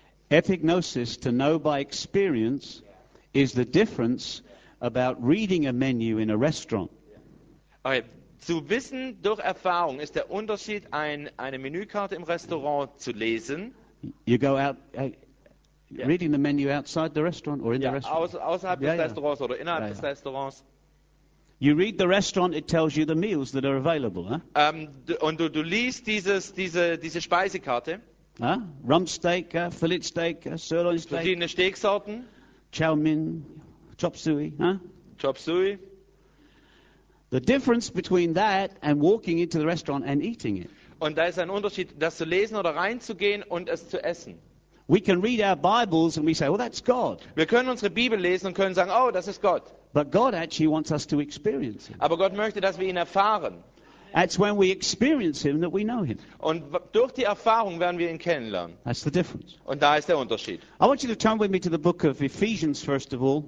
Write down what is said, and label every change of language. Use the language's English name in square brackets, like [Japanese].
[English] Epignosis, to know by experience, is the difference about reading a menu in a restaurant. Okay. [German] Zu wissen durch Erfahrung ist der Unterschied, eine Menükarte im Restaurant zu lesen. [English] You go out reading the menu outside the restaurant or in the restaurant. [German] Außerhalb des Restaurants oder innerhalb des Restaurants. [English] You read the restaurant, it tells you the meals that are available, huh? [German] Und du liest diese Speisekarte. [English] Huh? Rump steak, fillet steak, sirloin steak. [German] Verschiedene Steaksorten. [English] Chow mein. Chop suey, huh? Chop suey. The difference between that and walking into the restaurant and eating it. [German] Und da ist ein Unterschied, das zu lesen oder reinzugehen und es zu essen. [English] We can read our Bibles and we say, "Oh, that's God." [German] Wir können unsere Bibel lesen und können sagen, "Oh, das ist Gott." [English] But God actually wants us to experience Him. [German] Aber Gott möchte, dass wir ihn erfahren. [English] It's when we experience Him that we know Him. [German] Und durch die Erfahrung werden wir ihn kennenlernen. [English] That's the difference. [German] Und da ist der Unterschied. [English] I want you to turn with me to the book of Ephesians first of all.